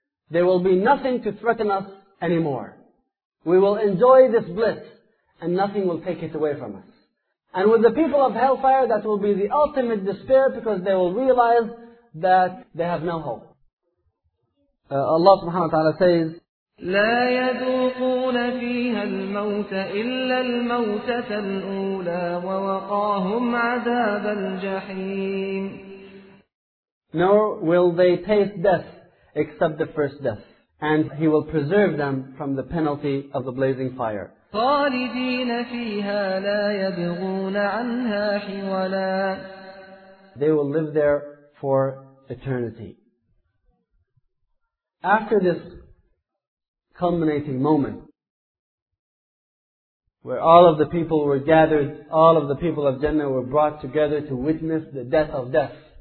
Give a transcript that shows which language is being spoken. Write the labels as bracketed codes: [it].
[en] There will be nothing to threaten us anymore. We will enjoy this bliss and nothing will take it away from us. And with the people of hellfire, that will be the ultimate despair because they will realize that they have no hope. Allah subhanahu wa ta'ala says, [ar] لا يذوقون فيها الموت إلا الموتة الأولى ووقاهم عذاب الجحيم. [en] Nor will they taste death except the first death, and he will preserve them from the penalty of the blazing fire. [ar] خالدين فيها لا يبغون عنها حولا. [en] They will live there for eternity. After this culminating moment where all of the people were gathered, all of the people of Jannah were brought together to witness the death of death.